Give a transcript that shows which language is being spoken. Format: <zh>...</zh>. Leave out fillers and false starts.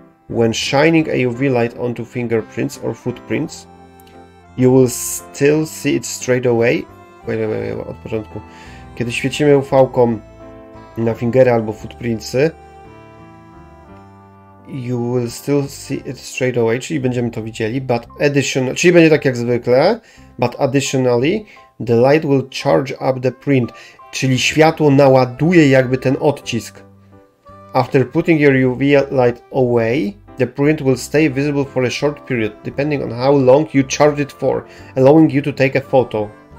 <en>When shining a UV light onto fingerprints or footprints, you will still see it straight away. Wait,</en> <pl>od początku. Kiedy świecimy UV-ką na fingery albo footprintsy,</pl> <en>you will still see it straight away,</en> <pl>czyli będziemy to widzieli,</pl> <en>but additional,</en> <pl>czyli będzie tak jak zwykle,</pl> <en>but additionally, the light will charge up the print,</en> <pl>czyli światło naładuje jakby ten odcisk.</pl> <en>After putting your UV light away, the print will stay visible for a short period, depending on how long you charge it for, allowing you to take a photo.</en>